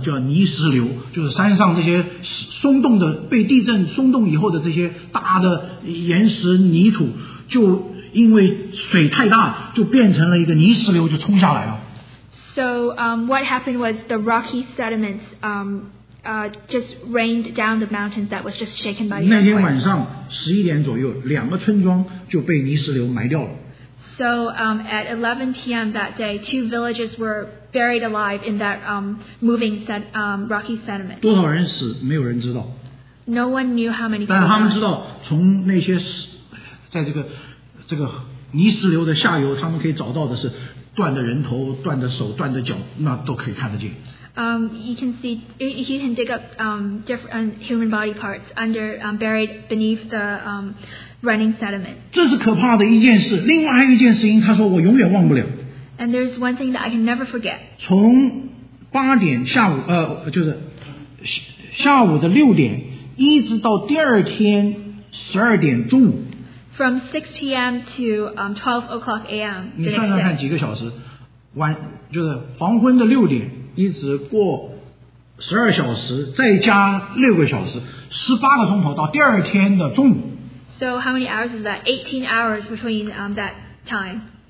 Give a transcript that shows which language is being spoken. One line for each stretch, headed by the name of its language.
Chinese: 叫泥石流，就是山上这些松动的被地震松动以后的这些大的岩石泥土，就因为水太大，就变成了一个泥石流，就冲下来了。
English: So, what happened was the rocky sediments, just rained down the mountains that was just shaken by the earthquake.
Chinese: 那天晚上十一点左右，两个村庄就被泥石流埋掉了。
English: So, at 11 p.m. that day, two villages were buried alive in that moving rocky sediment.
Chinese: 多少人死？没有人知道。
English: No one knew how many.
Chinese: 但他们知道，从那些在这个泥石流的下游，他们可以找到的是断的人头、断的手、断的脚，那都可以看得见。
English: You can see, you can dig up different human body parts under buried beneath the running sediment.
Chinese: 这是可怕的一件事。另外一件事情，他说我永远忘不了。
English: And there's one thing that I can never forget.
Chinese: 从八点下午，就是下午的六点，一直到第二天十二点中午。
English: From 6 p.m. to 12 o'clock a.m.
Chinese: 你算算看几个小时，晚就是黄昏的六点。一直过十二小时，再加六个小时，十八个钟头到第二天的中午。
English: So how many hours is that? 18 hours between that time.